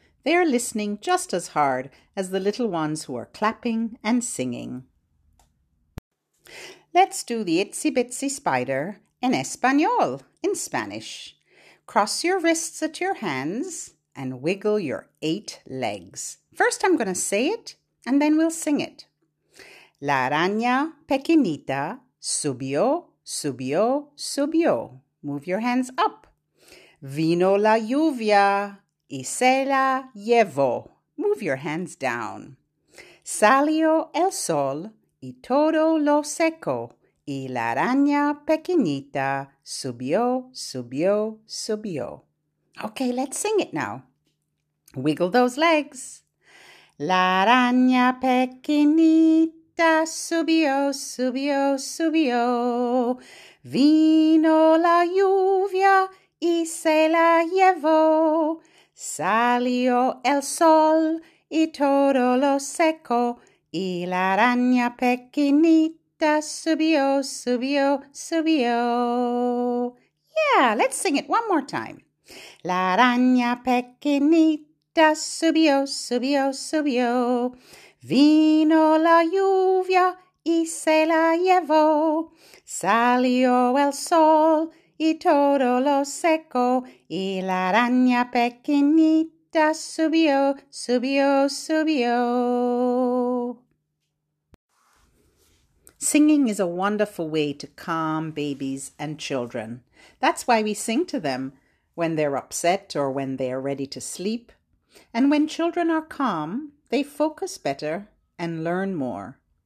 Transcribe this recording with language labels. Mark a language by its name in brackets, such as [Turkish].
[English] They are listening just as hard as the little ones who are clapping and singing. Let's do the Itsy Bitsy Spider en Español, in Spanish. Cross your wrists at your hands and wiggle your eight legs. First I'm going to say it and then we'll sing it. [Spanish] La araña pequeñita subió, subió, subió. [English] Move your hands up. [Spanish] Vino la lluvia y se la llevó. [English] Move your hands down. [Spanish] Salió el sol y todo lo secó. Y la araña pequeñita subió, subió, subió. [English] Okay, let's sing it now. Wiggle those legs. [Spanish] La araña pequeñita subió, subió, subió. Vino la lluvia y se la llevó. Salió el sol y todo lo secó. Y la araña pequeñita subió, subió, subió. [English] Yeah, let's sing it one more time. [Spanish] La araña pequeñita subió, subió, subió. Vino la lluvia y se la llevó. Salió el sol y todo lo secó. Y la araña pequeñita subió, subió, subió. [English] Singing is a wonderful way to calm babies and children. That's why we sing to them when they're upset or when they are ready to sleep. And when children are calm, they focus better and learn more.